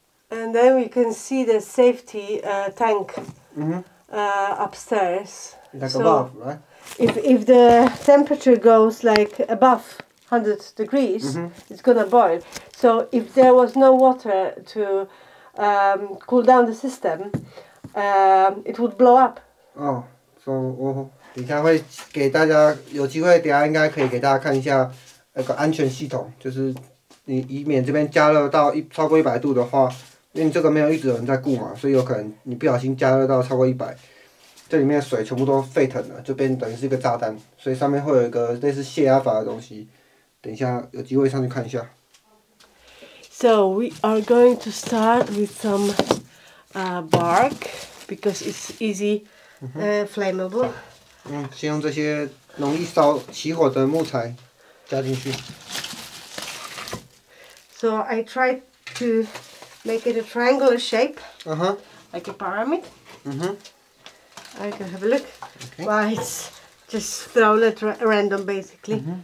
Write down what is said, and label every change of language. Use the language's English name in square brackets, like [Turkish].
[English] And then we can see the safety tank upstairs. Like above, right? If the temperature goes like above 100 degrees, it's gonna boil. So if there was no water to cool down the system, it would blow up. Oh, so [Chinese] 等一下会给大家有机会，等一下应该可以给大家看一下那个安全系统，就是你以免这边加热到超过100度的话，因为你这个没有一直有人在顾嘛，所以有可能你不小心加热到超过100，这里面的水全部都沸腾了，就变等于是一个炸弹，所以上面会有一个类似泄压阀的东西，等一下有机会上去看一下。 [English] So we are going to start with some bark because it's easy flammable. [Chinese] 先用这些容易烧起火的木材加进去。 [English] So I try to make it a triangular shape. Like a pyramid. I can have a look. Why it's just thrown at random basically.